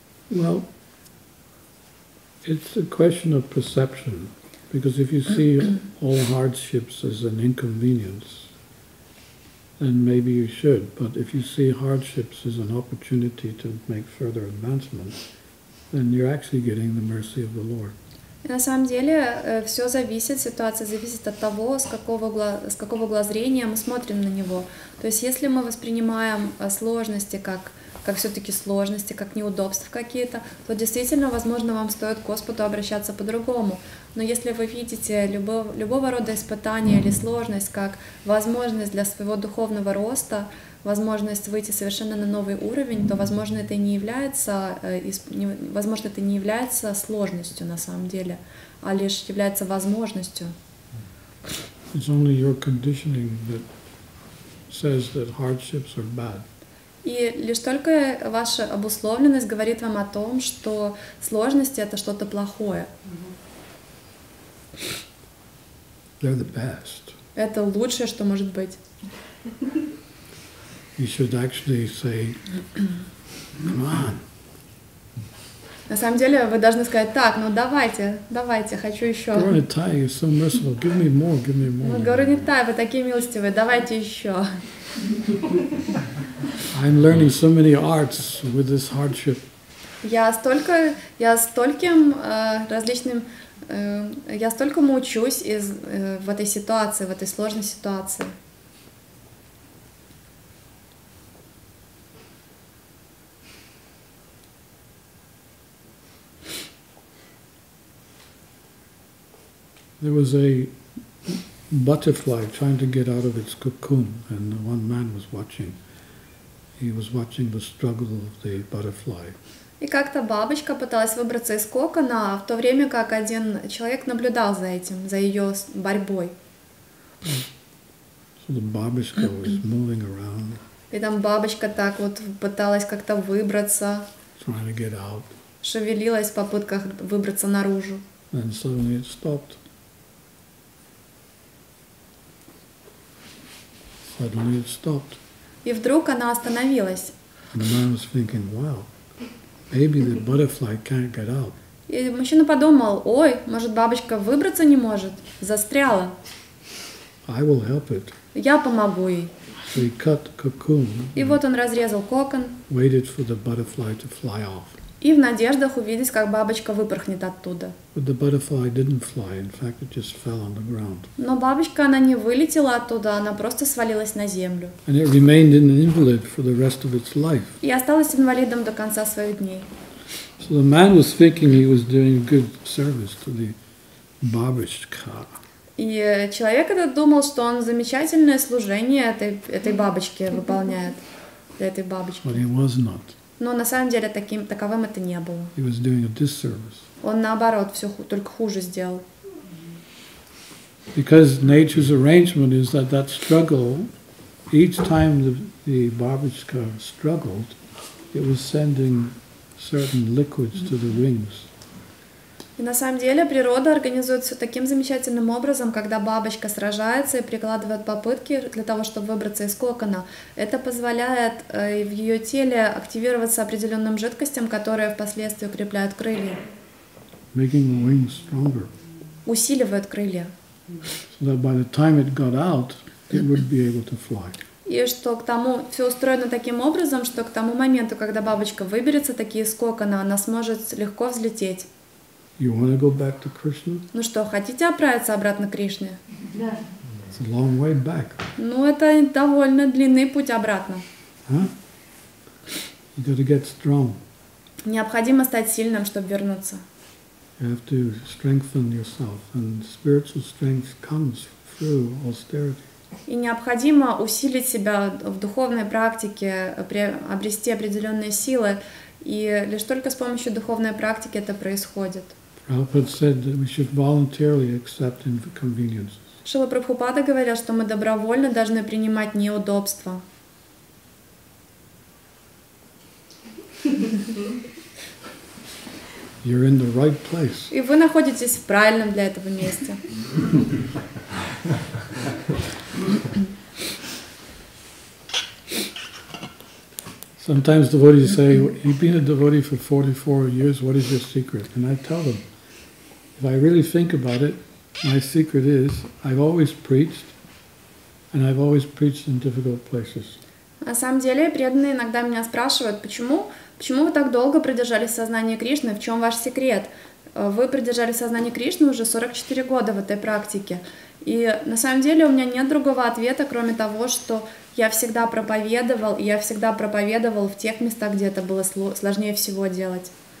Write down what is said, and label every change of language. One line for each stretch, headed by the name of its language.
English: Well, it's a question of perception. Because if you see all hardships as an inconvenience, then maybe you should. But if you see hardships as an opportunity to make further advancement, then you're actually getting the mercy of the Lord.
Russian: На самом деле, все зависит, ситуация зависит от того, с какого глазрения мы смотрим на него. То есть, если мы воспринимаем сложности как все-таки сложности, как неудобства какие-то, то действительно, возможно, вам стоит к Господу обращаться по-другому. Но если вы видите любого рода испытание или сложность как возможность для своего духовного роста, возможность выйти совершенно на новый уровень, то, возможно, это не является, сложностью на самом деле, а лишь является возможностью.
English: It's only your conditioning that says that hardships are bad.
Russian: И лишь только ваша обусловленность говорит вам о том, что сложности — это что-то плохое.
English: They're the best.
Russian: Это лучшее, что может быть.
English: You should actually say, come on.
Russian: На самом деле, вы должны сказать, так, ну давайте, хочу еще.
English: Gaura Nitai, you're so merciful, give me more.
Russian: Gaura Nitai, вы такие милостивые, давайте еще.
English: I'm learning so many arts with this hardship.
Russian: Я столькому учусь из в этой ситуации, в этой сложной ситуации.
English: There was a butterfly trying to get out of its cocoon, and one man was watching. He was watching the struggle of the butterfly.
Russian: И как-то бабочка пыталась выбраться из кокона, в то время как один человек наблюдал за этим, за ее борьбой.
English: So the бабочка was moving around.
Russian: И там бабочка так вот пыталась как-то выбраться.
English: Trying to get out.
Russian: Шевелилась в попытках выбраться наружу.
English: And suddenly it stopped. Suddenly it stopped.
Russian: И вдруг она остановилась.
English: The man was thinking, wow. Maybe the butterfly can't get out.
Russian: И мужчина подумал, ой, может бабочка выбраться не может, застряла.
English: I will help it.
Russian: Я помогу ей.
English: So he cut cocoon.
Russian: И вот он разрезал кокон.
English: Waited for the butterfly to fly off.
Russian: И в надеждах увидеть, как бабочка выпорхнет оттуда.
English: But the butterfly didn't fly. In fact, it just fell on the ground.
Russian: Но бабочка, она не вылетела оттуда, она просто свалилась на землю.
English: And it remained an invalid for the rest of its life.
Russian: И осталась инвалидом до конца своих дней.
English: So the man was thinking he was doing good service to the бабочка.
Russian: И человек этот думал, что он замечательное служение этой бабочке выполняет, для этой бабочки.
English: But he was not.
Russian: Но на самом деле таковым это не было.
English: He was doing a disservice.
Russian: Он наоборот все только хуже сделал.
English: Because nature's arrangement is that struggle, each time the babushka struggled, it was sending certain liquids to the wings.
Russian: И на самом деле природа организует все таким замечательным образом, когда бабочка сражается и прикладывает попытки для того, чтобы выбраться из кокона. Это позволяет в ее теле активироваться определенным жидкостям, которые впоследствии укрепляют крылья.
English: Making the wings stronger.
Russian: Усиливают крылья.
English: So that by the time it got out, it would be able to fly.
Russian: И что к тому, все устроено таким образом, что к тому моменту, когда бабочка выберется таки из кокона, она сможет легко взлететь.
English: You want to go back to Krishna?
Russian: Ну что, хотите отправиться обратно к Кришне? Да.
English: It's a long way back.
Russian: Ну это довольно длинный путь обратно.
English: Huh? You got to get strong.
Russian: Необходимо стать сильным, чтобы вернуться.
English: You have to strengthen yourself, and spiritual strength comes through austerity.
Russian: И необходимо усилить себя в духовной практике, обрести определенные силы, и лишь только с помощью духовной практики это происходит.
English: Prabhupada said that we should voluntarily accept inconveniences.
Russian: Шрила Прабхупада говорил, что мы добровольно должны принимать неудобства.
English: You're in the right place.
Russian: И вы находитесь в правильном для этого месте.
English: Sometimes devotees say, "You've been a devotee for 44 years. What is your secret?" And I tell them. If I really think about it, my secret is I've always preached, and I've always preached in difficult places.
Russian: На самом деле, преданные иногда меня спрашивают, почему вы так долго продержались в сознании Кришны, в чем ваш секрет? Вы продержались в сознании Кришны уже 44 года в этой практике. И на самом деле у меня нет другого ответа, кроме того, что я всегда проповедовал, и я всегда проповедовал в тех местах, где это было сложнее всего делать.